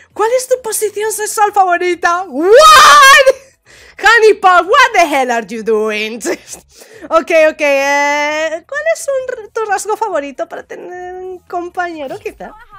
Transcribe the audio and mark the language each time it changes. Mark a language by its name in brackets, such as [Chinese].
[Spanish] ¿Cuál es tu posición sexual favorita? [English] What? Honeypot, what the hell are you doing? Okay. [Spanish] ¿Cuál es tu rasgo favorito para tener un compañero, quizá?